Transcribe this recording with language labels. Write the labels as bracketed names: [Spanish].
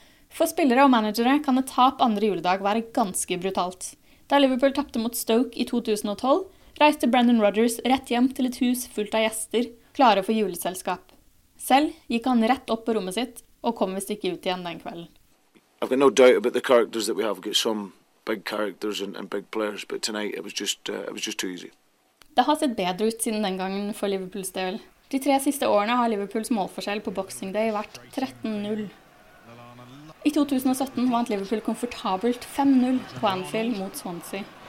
[Norwegian] For spillere og managere kan et tap andre juledag være ganske brutalt. Da Liverpool tapte mot Stoke i 2012, reiste Brendan Rodgers rett hjem til et hus fullt av gjester, klare for juleselskap. Selv gikk han rett opp på rommet sitt, og kom visst ikke ut igjen den kvelden. [English] I've got no doubt about the characters that we have. We've got some big characters and big players, but tonight it was just too easy. [Norwegian] Det har sett bedre ut siden den gangen for Liverpools del. De tre siste årene har Liverpools målforskjell på Boxing Day vært 13-0. I 2017 vant Liverpool komfortabelt 5-0 på Anfield mot Swansea.